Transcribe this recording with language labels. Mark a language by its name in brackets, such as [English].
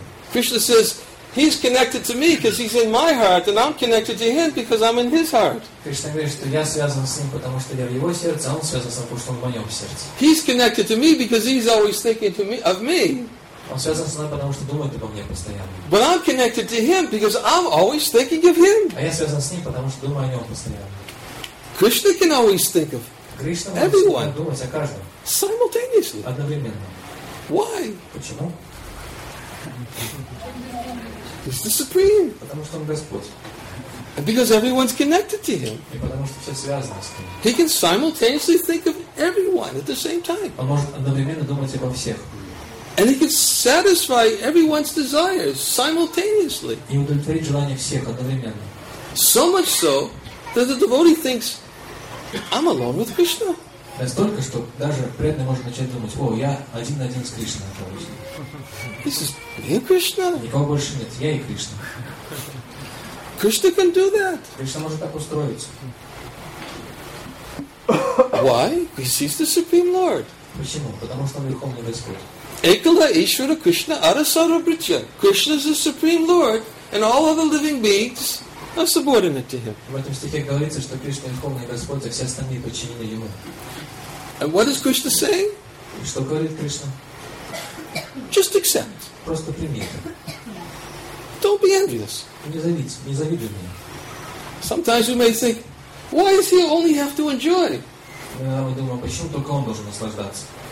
[English] Krishna says, he's connected to me because he's in my heart, and I'm connected to him because I'm in his heart. He's connected to me because he's always thinking of me. [Russian] Он связан со мной, потому что думает обо мне постоянно. [English] But I'm connected to him because I'm always thinking of him. [Russian] А я связан с ним, потому что думаю о нем постоянно. [English] Krishna can always think of everyone. [Russian] Думать о каждом. [English] Simultaneously. [Russian] Одновременно. [English] Why? [Russian] Почему? [English] He's the supreme. [Russian] Потому что он Господь. [English] And because everyone's connected to him. [Russian] И потому что все связано с ним. [English] He can simultaneously think of everyone at the same time. [Russian] Он может одновременно думать обо всех. [English] And he can satisfy everyone's desires simultaneously. [Russian] И удовлетворить желания всех одновременно. [English] So much so that the devotee thinks, I'm alone with Krishna. [Russian] Настолько, что даже преданный может начать думать, о, я один на один с Кришной. [English] This is me and Krishna. [Russian] Никого больше нет, я и Кришна. [English] Krishna can do that. [Russian] Кришна может так устроиться. [English] Why? Because he's the Supreme Lord. [Russian] Почему? Потому что он Верховный Господь. [Bangla] Ekala Ishvara Krishna Arasara Pritya. [English] Krishna is the Supreme Lord and all other living beings are subordinate to Him. [Russian] В этом стихе говорится, что Кришна Верховный Господь, а все остальные подчинены Ему. [English] And what is Krishna saying? [Russian] Что говорит Кришна? [English] Just accept. [Russian] Просто прими это. [English] Don't be envious. [Russian] Не завидуй мне. [English] Sometimes you may think, why does he only have to enjoy? [Russian] Мы думаем, почему только он должен наслаждаться?